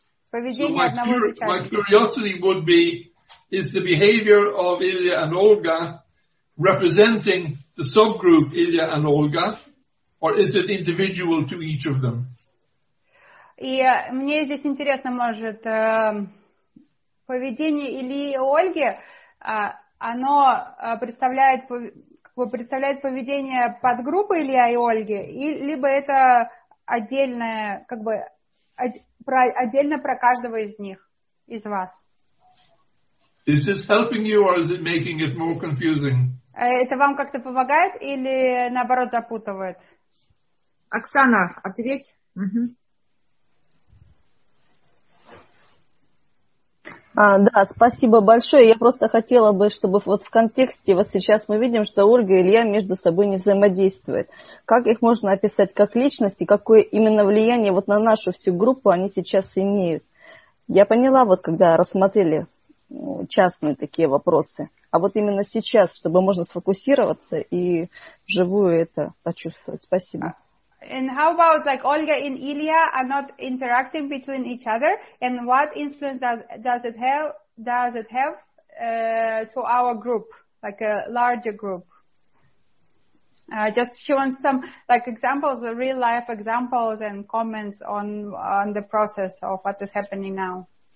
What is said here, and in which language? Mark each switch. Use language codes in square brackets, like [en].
[ru] Поведение [en] so [ru] одного из участников. [en] My curiosity would be, is the behavior of Ilya and Olga representing the subgroup Ilya and Olga, or is it individual to each of them? [ru] И мне здесь интересно, может, поведение Ильи и Ольги, оно представляет как бы представляет поведение подгруппы Илья и Ольги, и либо это отдельное, как бы отдельно про каждого из них, из вас. [en] Is this helping you or is it making it more confusing? [ru] Это вам как-то помогает или наоборот запутывает? Оксана, ответь. Да, спасибо большое. Я просто хотела бы, чтобы вот в контексте, вот сейчас мы видим, что Ольга и Илья между собой не взаимодействуют. Как их можно описать как личности, какое именно влияние вот на нашу всю группу они сейчас имеют? Я поняла, вот когда рассмотрели частные такие вопросы. А вот именно сейчас, чтобы можно сфокусироваться и вживую это почувствовать. Спасибо. [en] And how about like Olga and Ilya are not interacting between each other, and what influence does it have to our group, like a larger group? Just she wants some like examples, real life examples and comments on the process of what is happening now.